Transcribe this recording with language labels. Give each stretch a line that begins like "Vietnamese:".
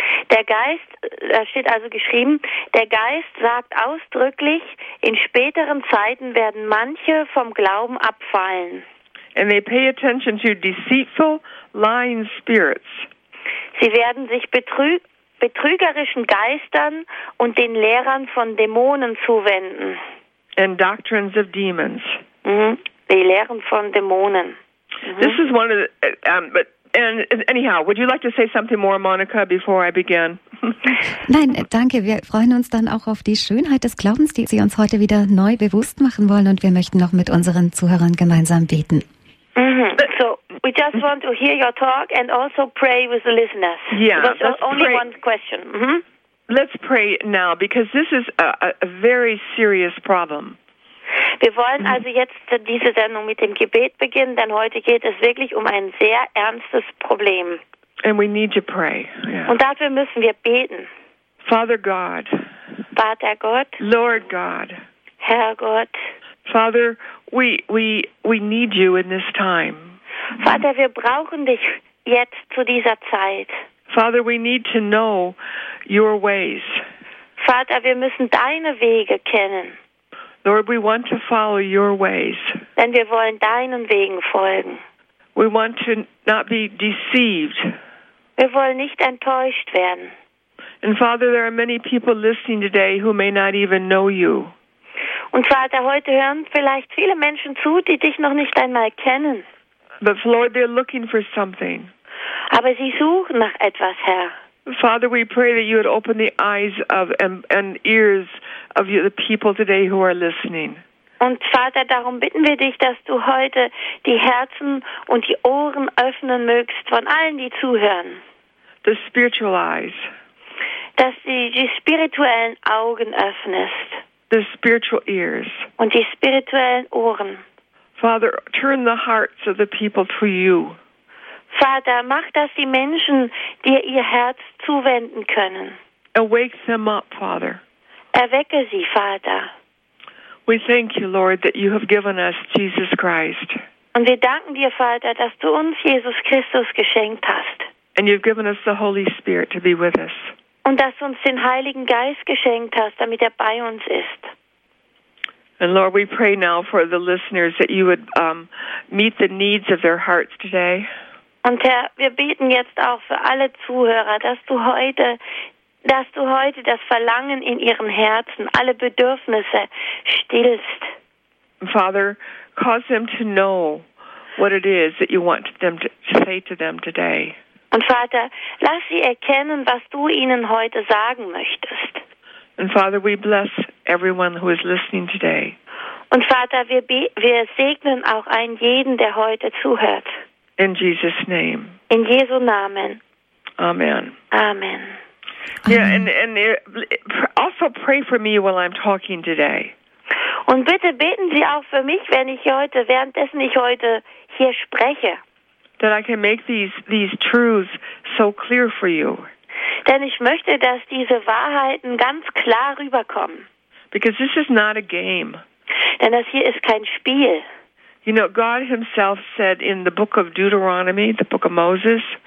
German: Der Geist, da steht also geschrieben, der Geist sagt ausdrücklich, in späteren Zeiten werden manche vom Glauben abfallen.
English: And they pay attention to deceitful, lying spirits.
German: Sie werden sich betrügerischen Geistern und den Lehrern von Dämonen zuwenden.
English: And doctrines of demons.
German: Die Lehren von Dämonen.
English: This is one of the, but and anyhow, would you like to say something more, Monica, before I begin?
German: Nein, danke. Wir freuen uns dann auch auf die Schönheit des Glaubens, die Sie uns heute wieder neu bewusst machen wollen, und wir möchten noch mit unseren Zuhörern gemeinsam beten.
English: So, we just want to hear your talk and also pray with the listeners. Yeah, there's only pray. One question. Let's pray now, because this is a very serious problem.
German: Wir wollen also jetzt diese Sendung mit dem Gebet beginnen, denn heute geht es wirklich um ein sehr ernstes Problem.
English: And we need to pray. Yeah.
German: Und dafür müssen wir beten.
English: Father God.
German: Vater Gott.
English: Lord God.
German: Herr Gott.
English: Father, we need you in this time.
German: Vater, wir brauchen dich jetzt zu dieser Zeit.
English: Father, we need to know your ways.
German: Vater, wir müssen deine Wege kennen.
English: Lord, we want to follow your ways.
German: Denn wir wollen deinen Wegen folgen.
English: We want to not be deceived.
German: Wir wollen nicht enttäuscht werden.
English: And Father, there are many people listening today who may not even know you.
German: Und Vater, heute hören vielleicht viele Menschen zu, die dich noch nicht einmal kennen.
English: But Lord, they're looking for something.
German: Aber sie suchen nach etwas, Herr.
English: Father, we pray that you would open the eyes of and ears of the people today who are listening.
German: Und Vater, darum bitten wir dich, dass du heute die Herzen und die Ohren öffnen mögst von allen, die zuhören.
English: The spiritual eyes.
German: Dass du die spirituellen Augen öffnest.
English: The spiritual ears.
German: Und die spirituellen Ohren.
English: Father, turn the hearts of the people to you.
German: Vater, mach, dass die Menschen dir ihr Herz zuwenden können.
English: Awake them up, Father.
German: Erwecke sie, Vater.
English: We thank you, Lord, that you have given us Jesus Christ.
German: Und wir danken dir, Vater, dass du uns Jesus Christus geschenkt hast.
English: And you've given us the Holy Spirit to be with us.
German: Und dass du uns den Heiligen Geist geschenkt hast, damit er bei uns ist.
English: And Lord, we pray now for the listeners that you would meet the needs of their hearts today.
German: Und Herr, wir beten jetzt auch für alle Zuhörer, dass du heute das Verlangen in ihren Herzen, alle Bedürfnisse stillst.
English: Father, cause them to know what it is that you want them to say to them today.
German: Und Vater, lass sie erkennen, was du ihnen heute sagen möchtest.
English: And Father, we bless everyone who is listening today.
German: Und Vater, wir segnen auch einen jeden, der heute zuhört.
English: In Jesus' name.
German: In Jesu Namen.
English: Amen.
German: Amen.
English: Yeah, and also pray for me while I'm talking today.
German: Und bitte beten Sie auch für mich, wenn ich heute, währenddessen ich heute hier spreche.
English: That I can make these truths so clear for you.
German: Denn ich möchte, dass diese Wahrheiten ganz klar rüberkommen.
English: Because this is not a game.
German: Denn das hier ist kein Spiel.
English: You know, God himself said in the book of Deuteronomy, the book of Moses.